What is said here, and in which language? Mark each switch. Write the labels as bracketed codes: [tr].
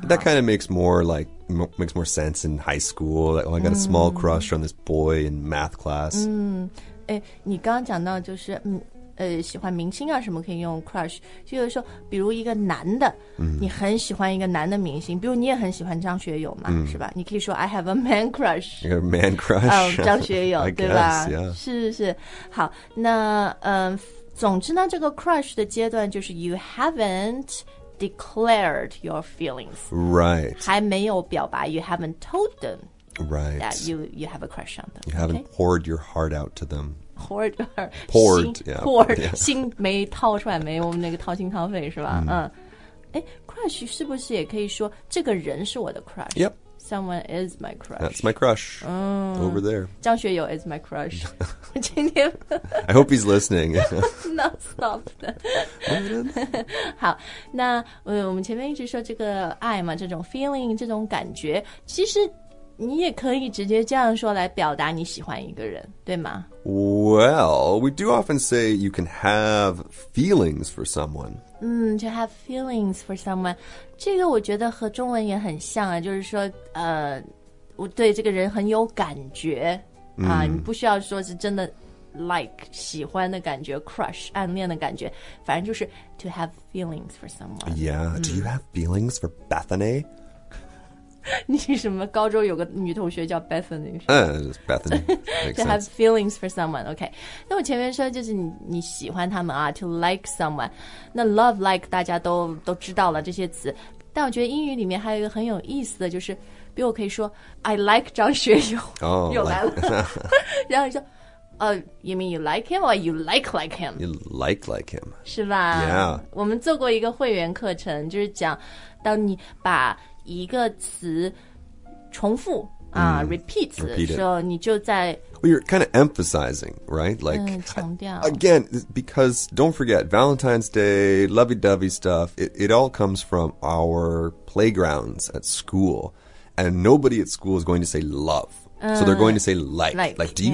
[en] That kind of makes more like, makes more sense in high school. Like, oh, I got a small crush on this boy in math class. [zh] 你刚刚讲到就是喜欢明星啊什么可以用 crush. 就是说比如一个男的、 mm. 你很喜欢一个男的明星比如你也很喜欢张学友嘛、 mm. 是吧你可以说 [en] I have a man crush. You have a man crush? [zh] 张学友 [en] I guess, [zh] 对吧、 [en] yeah. [zh] 是。好那总之呢，这个 crush 的阶段就是 [en] you haven't declared your feelings, right? [zh] 还没有表白 [en] you haven't told them, right? That you have a crush on them. You haven't、 okay? poured your heart out to them. Poured, yeah. [zh] Poured, 心没掏出来，没有那个掏心掏肺，是吧？ crush 是不是也可以说这个人是我的 crush? [en] Yep. Someone is my crush. That's my crush.、 Oh, over there. 张学友 is my crush. [zh] 今天 [en] I hope he's listening. No, stop. [zh] 好，那、我们前面一直说这个爱嘛，这种 feeling, 这种感觉，其实你也可以直接这样说来表达你喜欢一个人，对吗？ [en] Well, we do often say you can have feelings for someone. To have feelings for someone. [zh] 这个我觉得和中文也很像啊，就是说我对这个人很有感觉、你不需要说是真的 like, 喜欢的感觉 crush, 暗恋的感觉，反正就是 [en] to have feelings for someone. Yeah,、do you have feelings for Bethany? [zh] 你什么高中有个女同学叫 Bethany? [en] Bethany. To have feelings for someone, okay. [zh] 那我前面说就是 你喜欢他们啊 [en] to like someone. [zh] 那 love, like, 大家 都知道了这些词。但我觉得英语里面还有一个很有意思的就是比如我可以说 [en] I like [zh] 张学友、 [en] oh, [zh] 又来了。然后你说、 [en] you mean you like him or you like him? You like him. [zh] 是吧 [en] Yeah. [zh] 我们做过一个会员课程就是讲当你把一个词重复、repeat 词的时候你就在 [en] Well, you're kind of emphasizing, right? Like, [zh] 强调 [en] Again, because don't forget Valentine's Day, lovey-dovey stuff it all comes from our playgrounds at school And nobody at school is going to say love、So they're going to say like Like, do you、